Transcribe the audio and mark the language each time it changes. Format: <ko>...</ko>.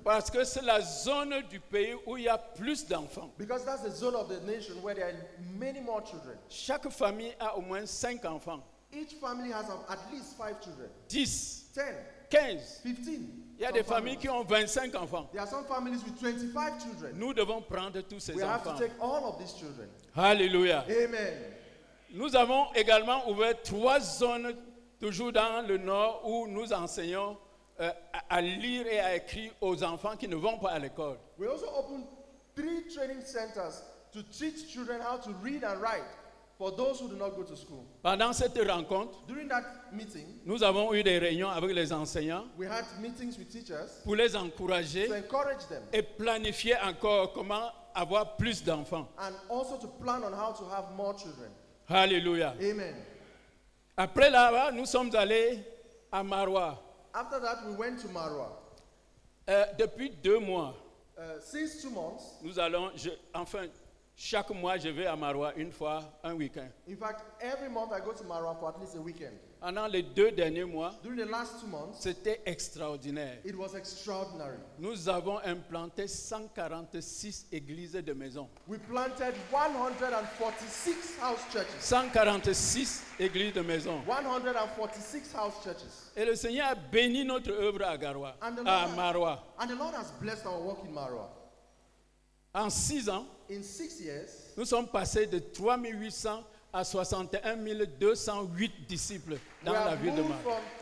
<fr>Parce que c'est la zone du pays où il y a plus d'enfants.</fr> <en>Because that's the zone of the nation where there are many more children.</en> <fr>Chaque famille a au moins 5 enfants.</fr> <en>Each family has at least 5 children. 10. 10.</en> <fr>15. Il y a</fr> <en>some</en> <fr>des familles qui ont 25 enfants.</fr> <en>There are some families with 25 children.</en> <fr>Nous devons prendre tous ces</fr> <en>we</en> <fr>enfants.</fr> <en>We have to take all of these children. Hallelujah. Amen.</en> <fr>Nous avons également ouvert 3 zones toujours dans le nord où nous enseignons à lire et à écrire aux enfants qui ne vont pas à l'école.</fr> <en>We also opened 3 training centers to teach children how to read and write for those who do not go to school.</en> <fr>Pendant cette rencontre,</fr> <en>during that meeting,</en> <fr>nous avons eu des réunions avec les enseignants.</fr> <en>We had meetings with teachers</en> <fr>pour les encourager,</fr> <en>to encourage them,</en> <fr>et planifier encore comment avoir plus d'enfants.</fr> <en>And also to plan on how to have more children. Hallelujah. Amen.</en> <fr>Après là-bas, nous sommes allés à Maroua.</fr> <en>After that, we went to Maroua.</en> <fr>Depuis 2 mois,</fr> <en>since 2 months,</en> <fr>nous allons, chaque mois, je vais à Maroua une fois, un week-end.</fr> <en>In fact, every month I go to Maroua for at least a weekend.</en> <fr>Pendant les 2 derniers mois,</fr> <en>during the last 2 months,</en> <fr>c'était extraordinaire.</fr> <en>It was extraordinary.</en> <fr>Nous avons implanté 146 églises de maison.</fr> <en>We planted 146 house churches.</en> <fr>146 églises de maison.</fr> <en>146 house churches.</en> <fr>Et le Seigneur a béni notre œuvre à Garoua, à Maroua.</fr> <en>And the Lord has blessed our work in Maroua.</en> <fr>En 6 ans,</fr> <en>in 6 years,</en> <fr>nous sommes passés de 3 800 à 61 208 disciples dans la ville de Maroua.</fr>